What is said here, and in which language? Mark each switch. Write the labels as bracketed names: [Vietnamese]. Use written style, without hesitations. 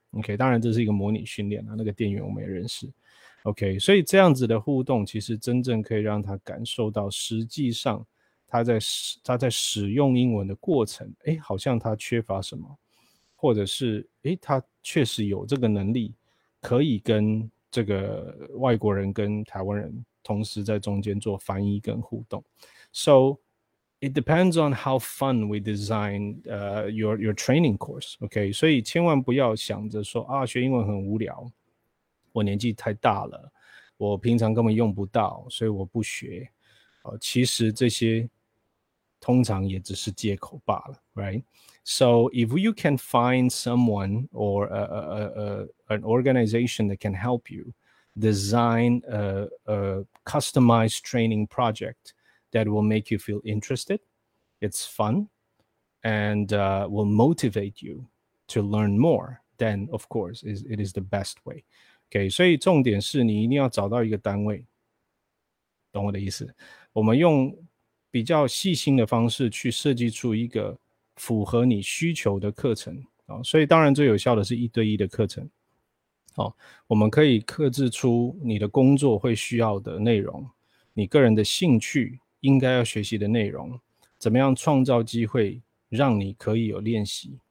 [Chinese] OK, 当然这是一个模拟训练，那个店员我们也认识。OK, 所以这样子的互动其实真正可以让他感受到实际上他在使用英文的过程，诶，好像他缺乏什么，或者是，诶，他确实有这个能力可以跟这个外国人跟台湾人同时在中间做翻译跟互动。 [English] So it depends on how fun we design your training course, okay? [Chinese] 所以千万不要想着说啊，学英文很无聊，我年纪太大了，我平常根本用不到，所以我不学。其实这些通常也只是借口罢了， right? [English] So if you can find someone or an organization that can help you design a customized training project that will make you feel interested, it's fun, and will motivate you to learn more, then of course it is the best way. [Chinese] Okay, 所以重点是你一定要找到一个单位，懂我的意思？我们用比较细心的方式去设计出一个符合你需求的课程，所以当然最有效的是一对一的课程。我们可以客制出你的工作会需要的内容，你个人的兴趣应该要学习的内容，怎么样创造机会让你可以有练习。